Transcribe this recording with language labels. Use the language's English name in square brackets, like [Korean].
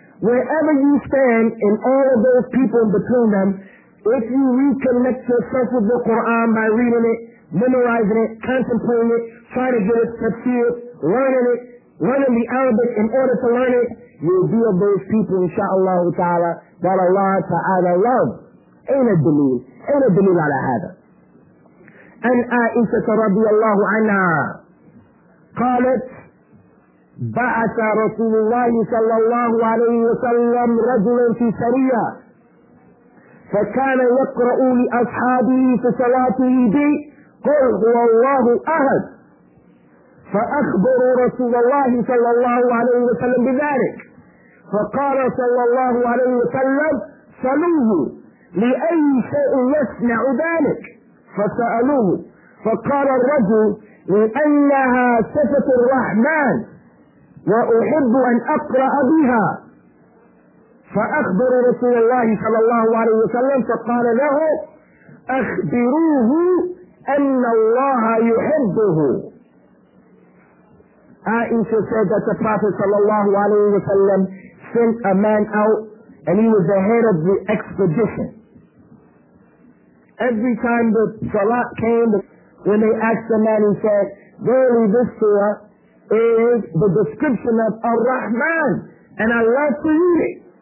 [English] Wherever you stand and all of those people in between them, if you reconnect yourself with the Quran by reading it, memorizing it, contemplating it, trying to get it secure, learning it, learning the Arabic in order to learn it, you'll be of those people, inshaAllah ta'ala, that Allah ta'ala loves. Ain't a dalil. Ain't a dalil ala hada. [Arabic] أن عائشة رضي الله عنها قالت بعث رسول الله صلى الله عليه وسلم رجلا في سرية فكان يقرأ لأصحابه في صلاته بي قل هو الله أحد فأخبروا رسول الله صلى الله عليه وسلم بذلك فقال صلى الله عليه وسلم صلوه لأي شيء يصنع ذلك فسألوه فقال الرجل لأنها صفة الرحمن وأحب أن أقرأ بها فأخبر رسول الله صلى الله عليه وسلم فقال له أخبروه أن الله يحبه. [English] Aisha said that the Prophet صلى الله عليه وسلم sent a man out and he was the head of the expedition. Every time the salat came, when they asked the man, he said, verily this surah is the description of Ar-Rahman, and I love to read it.